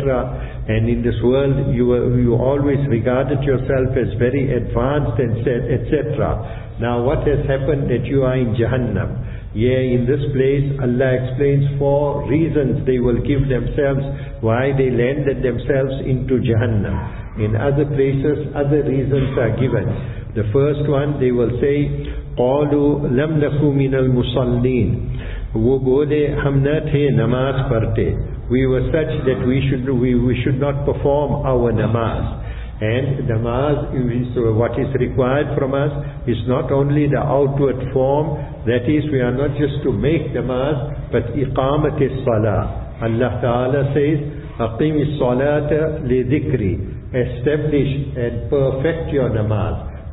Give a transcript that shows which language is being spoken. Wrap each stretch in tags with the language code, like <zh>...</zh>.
<en>And in this world you always regarded yourself as very advanced and said, etc. Now what has happened that you are in Jahannam? Yeah, in this place Allah explains four reasons they will give themselves why they landed themselves into Jahannam. In other places other reasons are given. The first one they will say,</en> <ar>قَالُوا لَمْ نَكُوا مِنَ الْمُصَلِّينَ,</ar> <ur>وہ بولے ہم نہ تھے نماز پڑھتے.</ur> <en>We were such that we should not perform our namaz. And namaz, what is required from us is not only the outward form, that is we are not just to make namaz, but iqamat as-salah. Allah Ta'ala says,</en> <ar>aqim as-salata li-dhikri,</ar> <en>establish and perfect your namaz.</en>